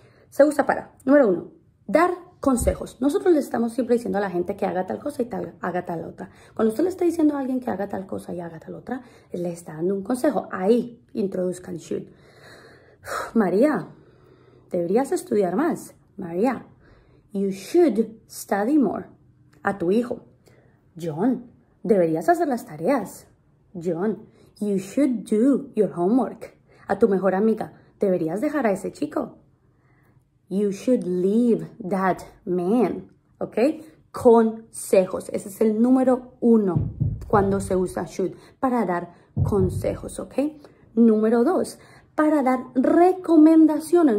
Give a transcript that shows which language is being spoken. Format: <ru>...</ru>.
<es>Se usa para, número 1, dar consejos. Nosotros le estamos siempre diciendo a la gente que haga tal cosa y tal, haga tal otra. Cuando usted le está diciendo a alguien que haga tal cosa y haga tal otra, le está dando un consejo. Ahí introduzcan should. María, deberías estudiar más.</es> <en>María, you should study more.</en> <es>A tu hijo. John, deberías hacer las tareas.</es> <en>John, you should do your homework.</en> <es>A tu mejor amiga, deberías dejar a ese chico.</es> <en>You should leave that man,</en> <es>¿ok? Consejos, ese es el número uno cuando se usa should, para dar consejos, ¿ok? Número dos, para dar recomendaciones.</es>